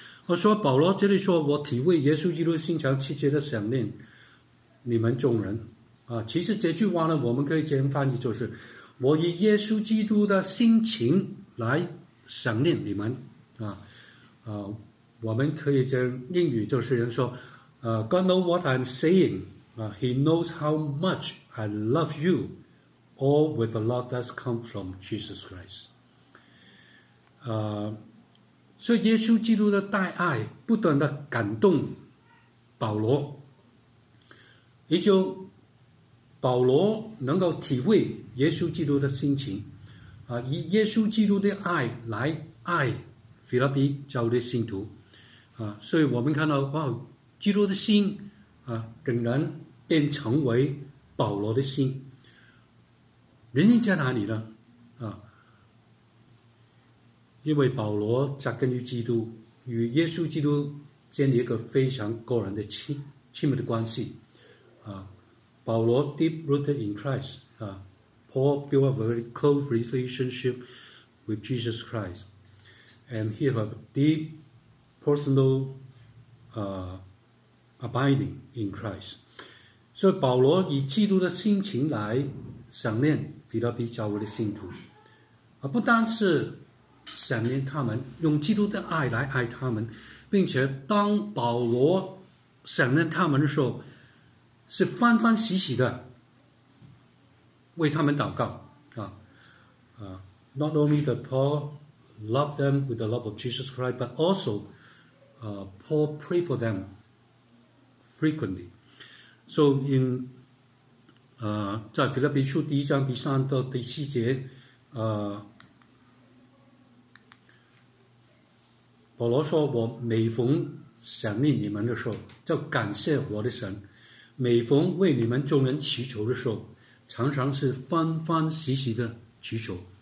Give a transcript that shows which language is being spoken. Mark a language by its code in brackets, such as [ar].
[zh] 我说保罗这里说，我体会耶稣基督的心肠，切切的想念你们众人。其实这句话呢，我们可以这样翻译，就是我以耶稣基督的心情来想念你们。我们可以这样英语，就是人说 [en] God knows what I'm saying. He knows how much I love you, all with the love that's come from Jesus Christ. [zh] 所以耶稣基督的大爱不断的感动保罗，也就保罗能够体会耶稣基督的心情，以耶稣基督的爱来爱腓立比教会的信徒，所以我们看到哇，基督的心仍然变成为保罗的心。原因在哪里呢？因为保罗扎根于基督，与耶稣基督建立一个非常个人的亲密的关系。 [en] 保罗 deep rooted in Christ, Paul built a very close relationship with Jesus Christ, and he have a deep personal abiding in Christ. [zh] 所以保罗以基督的心情来想念腓立比教会的信徒，不单是想念他们，用基督的爱来爱他们，并且当保罗想念他们的时候，是欢欢喜喜的为他们祷告。 [en] Not only the Paul love them with the love of Jesus Christ, but also Paul pray for them frequently. So in [zh] 在腓立比书第一章第三到第四节，保罗说，我每逢想念你们的时候，就感谢我的神，每逢为你们众人祈求的时候，常常是欢欢喜喜的祈求。